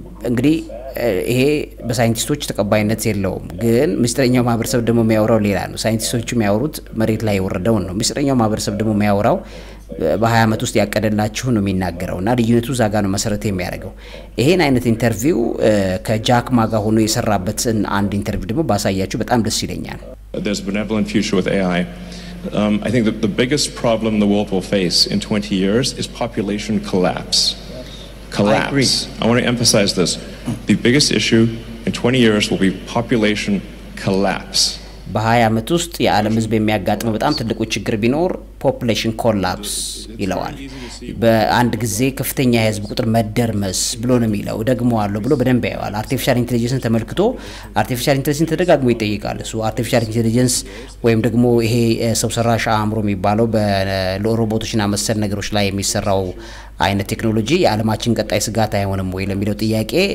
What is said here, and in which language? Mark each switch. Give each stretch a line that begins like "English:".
Amharic: እንግዲህ ይሄ በሳይንቲስቶች ተቀባይነት የለውም፣ ግን ምስጢረኛው ማህበረሰብ ደግሞ የሚያወራው ሌላ ነው። ሳይንቲስቶቹ የሚያወሩት መሬት ላይ የወረደው ነው። ምስጢረኛው ማህበረሰብ ደግሞ የሚያወራው በ20 አመት ውስጥ ያቀደላችሁ ነው የሚናገረው። እና ልዩነቱ ዛጋ ነው መሰረት የሚያደርገው። ይሄን አይነት ኢንተርቪው ከጃክ ማጋ ሆኖ የሰራበትን አንድ ኢንተርቪው ደግሞ ባሳያችሁ በጣም ደስ ይለኛል።
English: There's a benevolent future with AI. I think that the biggest problem the world will face in 20 years is population collapse. I agree. I want to emphasize this. The biggest issue in 20 years will be population collapse.
Amharic: በ20 አመት ውስጥ የዓለም ህዝብ የሚያጋጥመው በጣም ትልቁ ችግር ቢኖር population collapse ይለዋል። በአንድ ጊዜ ከፍተኛ የህዝብ ቁጥር መደርመስ ብሎ ነው የሚለው ደግሞ አለው ብሎ በደንብ ያዋል። አርቲፊሻል ኢንተለጀንስን ተመልክቶ አርቲፊሻል ኢንተለጀንስ ተደጋግሞ ይጠይቃል። ሱ አርቲፊሻል ኢንተለጀንስ ወይም ደግሞ ይሄ ሰው ሰራሽ አእምሮ የሚባለው በሮቦቶችና መሰል ነገሮች ላይ የሚሰራው አይነ ቴክኖሎጂ ያለማችን ቀጣይ ስጋት አይሆንም ወይ ለሚለው ጥያቄ